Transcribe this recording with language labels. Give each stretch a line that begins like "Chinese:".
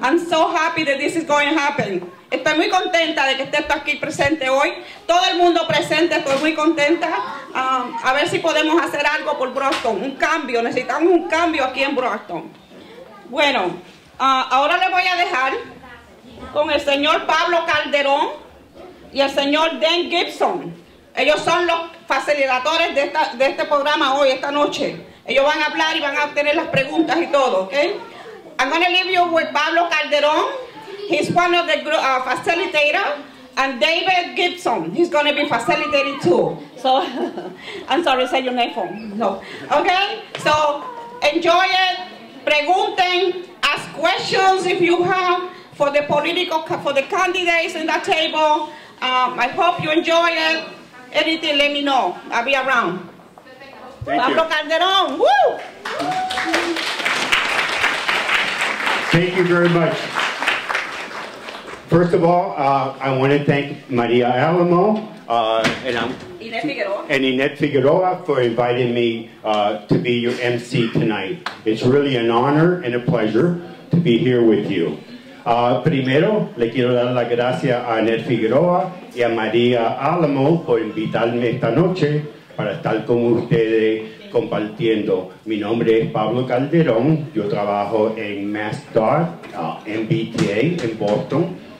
English: I'm so happy that this is going to happen.
Spanish: Estoy muy contenta de que esté tú aquí presente hoy. Todo el mundo presente, estoy muy contenta. A ver si podemos hacer algo por Brockton. Un cambio. Necesitamos un cambio aquí en Brockton. Bueno. Ahora le voy a dejar con el señor Pablo Calderón y el señor Dan Gibson. Ellos son los facilitadores de, este programa hoy, esta noche. Ellos van a hablar y van a tener las preguntas y todo, ¿ok?
English: I'm going to leave you with Pablo Calderón. He's one of the facilitators. And David Gibson, he's going to be facilitating too. So, I'm sorry, say your name for me. No. Ok, so enjoy it.
Spanish: Pregunten.
English: Ask questions if you have for the political, for the candidates in that table. I hope you enjoy it. Anything, let me know. I'll be around. Thank Pablo you. Calderón. Woo! Thank you very much. First of all, I want to thank Maria Alamo and Inés Figueroa for inviting me to be your MC tonight. It's really an honor and a pleasure to be here with you.
Spanish: Primero, le quiero dar las gracias a Inés Figueroa y a María Alamo por invitarme esta noche para estar con ustedes compartiendo. Mi nombre es Pablo Calderón. Yo trabajo en MassDOT, MBTA, en Boston.